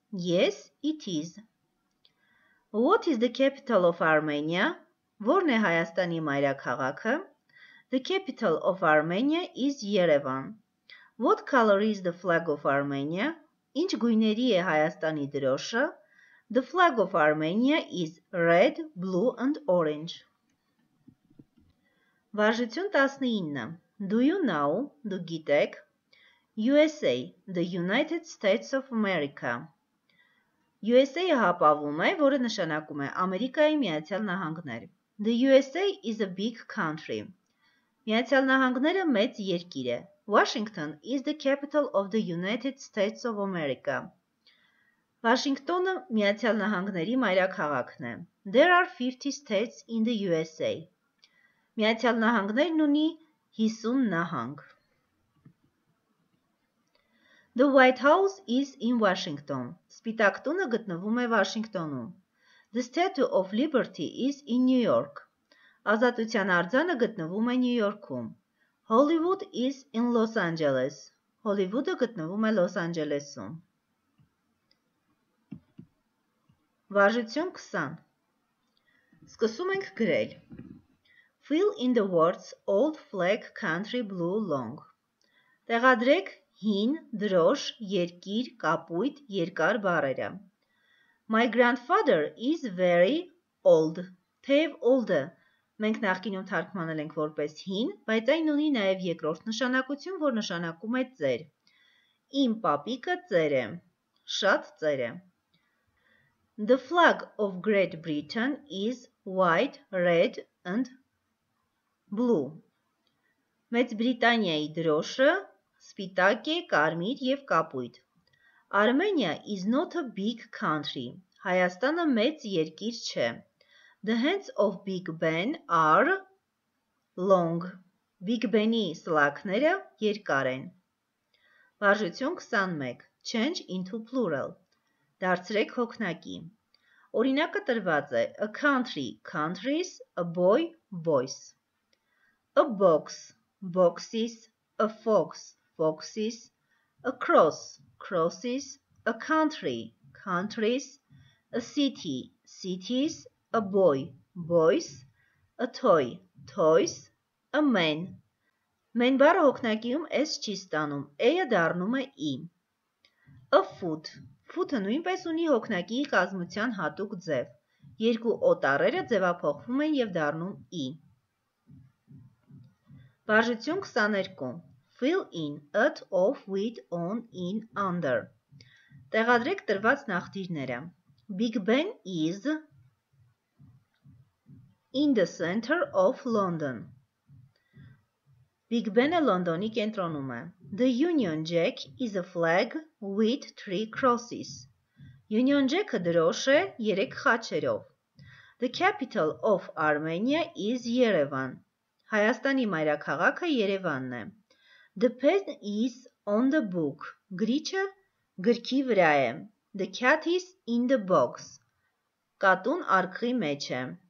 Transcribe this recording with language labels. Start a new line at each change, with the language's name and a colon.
English: Yes, it is. What is the capital of Armenia?
Armenian: Որն է Հայաստանի մայրաքաղաքը?
English: The capital of Armenia is Yerevan. What color is the flag of Armenia?
Armenian: Ինչ գույների է Հայաստանի դրոշը?
English: The flag of Armenia is red, blue and orange. Վարժություն 19. Do you know?
Armenian: Դու գիտեք?
English: USA, the United States of America.
Armenian: USA-ը հապավում է, որը նշանակում է Ամերիկայի Միացյալ Նահանգներ.
English: The USA is a big country.
Armenian: Միացյալ Նահանգները մեծ երկիր է.
English: Washington is the capital of the United States of America.
Armenian: Վաշինգտոնը Միացյալ Նահանգների մայրաքաղաքն է.
English: There are 50 states in the USA.
Armenian: Միացյալ Նահանգներն ունի 50 նահանգ.
English: The White House is in Washington.
Armenian: Սպիտակ տունը գտնվում է Վաշինգտոնում.
English: The Statue of Liberty is in New York.
Armenian: Ազատության արձանը գտնվում է Նյու Յորքում.
English: Hollywood is in Los Angeles.
Armenian: Հոլիվուդը գտնվում է Լոս Անջելեսում. Վարժություն 20. Սկսում ենք գրել.
English: Fill in the words old flag country blue long.
Armenian: Տեղադրեք հին, դրոշ, երկիր, կապույտ, երկար բառերը. My grandfather is very old. Թեև old-ը մենք նախկինում թարգմանել ենք որպես հին, բայց այն ունի նաև երկրորդ նշանակություն, որ նշանակում է ծեր. Իմ պապիկը ծեր է. շատ ծեր է.
English: The flag of Great Britain is white, red and blue.
Armenian: Մեծ Բրիտանիայի դրոշը սպիտակ է, կարմիր և կապույտ.
English: Armenia is not a big country.
Armenian: Հայաստանը մեծ երկիր չէ.
English: The hands of Big Ben are long.
Armenian: Big Ben-ի սլակները երկար են. Վարժություն 21.
English: Change into plural.
Armenian: Դարձրեք հոգնակի. Օրինակը տրված է.
English: A country, countries. A boy, boys. A box, boxes. A fox, foxes. A cross, crosses. A country, countries. A city, cities. A boy, boys. A toy, toys. A man.
Armenian: Մեն բառը հոգնակիում S չի ստանում, E-ը դառնում է I.
English: A foot.
Armenian: Foot-ը նույնպես ունի հոգնակիի կազմության հատուկ ձև. Երկու օտարերը ձևափոխվում են և դառնում I. Բարժություն 22.
English: Fill in, at, off, with, on, in, under.
Armenian: Տեղադրեք տրված նախտիրները.
English: Big Ben is in the center of London.
Armenian: Big Ben-ը Լոնդոնի կենտրոնում է.
English: The Union Jack is a flag with three crosses.
Armenian: Union Jack-ը դրոշ է երեք խաչերով.
English: The capital of Armenia is Yerevan.
Armenian: Հայաստանի մայրաքաղաքը Երևանն է.
English: The pen is on the book.
Armenian: Գրիչը գրքի վրա է.
English: The cat is in the box.
Armenian: Կատուն արկղի մեջ է.